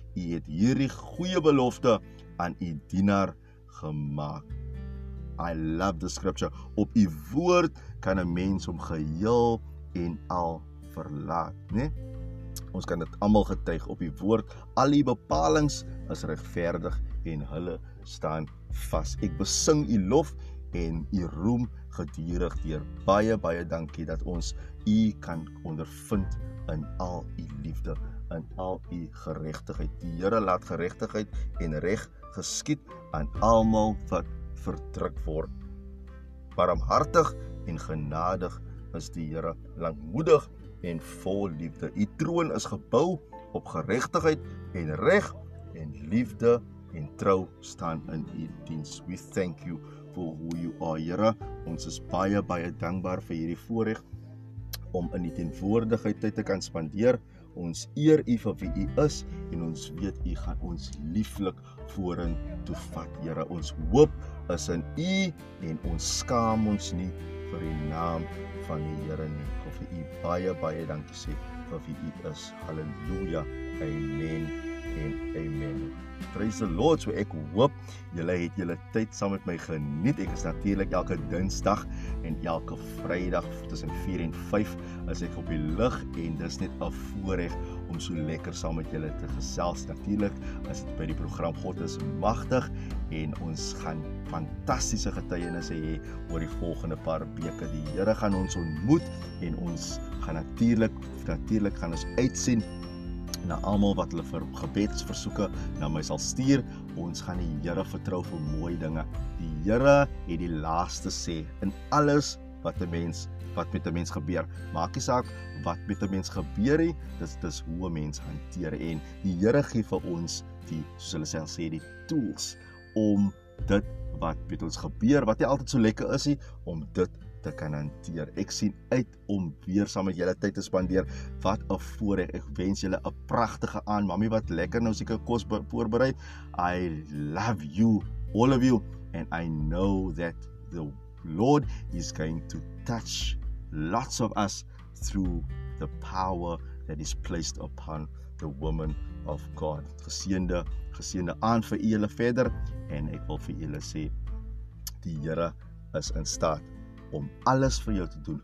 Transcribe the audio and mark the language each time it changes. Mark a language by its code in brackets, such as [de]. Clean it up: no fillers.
[af] U het hierdie goeie belofte aan u dienaar gemaak. [en] I love the scripture. [af] Op u woord kan 'n mens hom geheel en al verlaat, né? Ons kan dit almal getuig op die woord. Al die bepalings is regverdig en hulle staan vas. Ek besing u lof en u roem gedurig deur. Baie, baie dankie dat ons u kan ondervind in al u liefde, in al u geregtigheid. Die Here laat geregtigheid en reg geskied aan almal wat verdruk word. Barmhartig en genadig is die Here, langmoedig en vol liefde. U troon is gebou op geregtigheid en reg en liefde en trou staan in u diens. [en] We thank you for who you are, Here. [af] Ons is baie, baie dankbaar vir hierdie voorreg om in die teenwoordigheid tyd te kan spandeer. Ons eer u vir wie u is en ons weet u gaan ons lieflik vorentoe vat, Here. Ons hoop is in u en ons skaam ons nie vir die naam van die Here nie. Of vir u baie, baie dankie sê vir wie u is. Halleluja, amen en amen. [en] Praise the Lord, [af] so ek hoop julle het julle tyd saam met my geniet. Ek is natuurlik elke Dinsdag en elke Vrydag tussen 4 en 5 as ek op die lig en dis net 'n voorreg om so lekker saam met julle te gesels. Natuurlik is dit by die program God is magtig en ons gaan fantastiese getuienisse hê oor die volgende paar weke. Die Here gaan ons ontmoet en ons gaan natuurlik gaan ons uitsien na almal wat hulle vir gebedsversoeke na my sal stuur. Ons gaan die Here vertrou vir mooi dinge. Die Here het die laaste sê in alles wat met 'n mens gebeur. Maak nie saak wat met 'n mens gebeur nie, dis hoe 'n mens hanteer en die Here gee vir ons die, soos hulle self sê, die tools om dit wat met ons gebeur, wat nie altyd so lekker is nie, om dit te kan hanteer. Ek sien uit om weer saam met julle tyd te spandeer. Wat 'n voorreg. Ek wens julle 'n pragtige aand. Mamy wat lekker nou seker kos voorberei. [en] I love you, all of you, and I know that the Lord is going to touch lots of us through the power that is placed upon the woman of God. [af] Geseënde aand vir julle verder en ek wil vir julle sê die Here is in staat om alles vir jou te doen.